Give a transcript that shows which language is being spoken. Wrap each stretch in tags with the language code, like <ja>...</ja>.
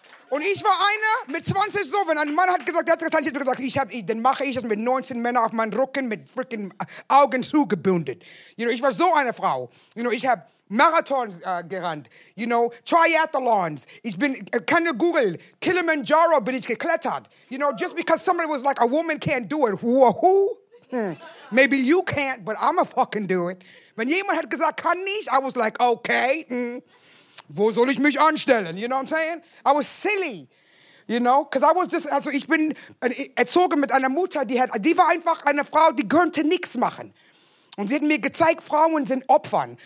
<de>Und ich war einer mit 20 so, wenn ein Mann hat gesagt, der hat gesagt, dann mache ich das mit 19 Männern auf meinen Rücken mit freaking Augen zugebündet.</de> <en>You know,</en> <de>ich war so eine Frau. You know, ich habe Marathons gerannt.</de> <en>You know,</en> <de>Triathlons. Ich bin, kann ihr Google, Kilimanjaro bin ich geklettert.</de> <en>You know, just because somebody was like, a woman can't do it. Woohoo. Maybe you can't, but I'm a fucking do it.</en> <de>Wenn jemand hat gesagt, kann nicht,</de> <en>I was like, okay.</en> <de>Wo soll ich mich anstellen?</de> <en>You know what I'm saying? I was silly, you know? Because I was just,</en> <de>also ich bin erzogen mit einer Mutter, die war einfach eine Frau, die könnte nichts machen. Und sie hat mir gezeigt, Frauen sind Opfern.</de>